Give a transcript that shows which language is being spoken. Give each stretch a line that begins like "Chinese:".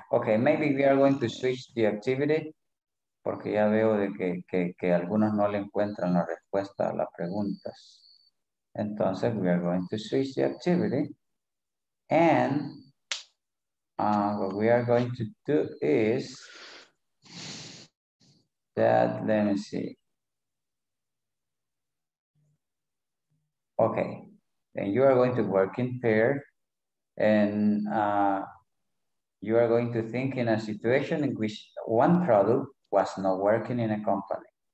English: Okay, maybe we are going to switch the activity.
Spanish: Porque ya veo de que algunos no le encuentran la respuesta a las preguntas. Entonces,
English: we are going to switch the activity. And what we are going to do is that, let me see. Okay. And you are going to work in pair. And you are going to think in a situation in which one product was not working in a company.